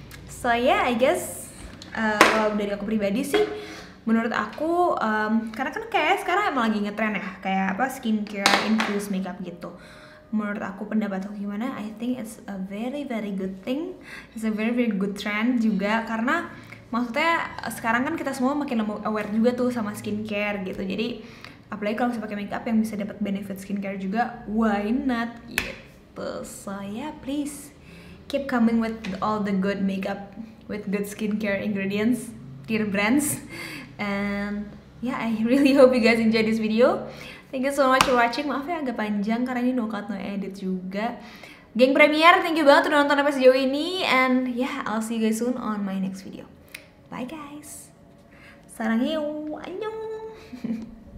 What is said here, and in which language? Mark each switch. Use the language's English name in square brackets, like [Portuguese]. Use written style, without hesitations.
[English] So yeah, I guess [Indonesian] kalau dari aku pribadi sih, menurut aku karena kan kayak sekarang emang lagi ngetren ya kayak apa skincare infused makeup gitu, menurut aku pendapat aku gimana, [English] I think it's a very very good thing, it's a very very good trend [Indonesian] juga. Karena maksudnya sekarang kan kita semua makin aware juga tuh sama skincare gitu. Jadi apalagi kalau bisa pakai makeup yang bisa dapat benefit skincare juga, [English] why not [Indonesian] gitu. [English] So yeah, please keep coming with all the good makeup with good skincare ingredients, dear brands. And yeah, I really hope you guys enjoy this video. Thank you so much for watching. [Indonesian] Maaf ya agak panjang karena ini [English] no cut no edit [Indonesian] juga. Geng Premier, [English] thank you [Indonesian] banget udah nonton sampai sejauh ini. [English] And yeah, I'll see you guys soon on my next video. Bye guys. [Korean] Sarang heo. Annyeong.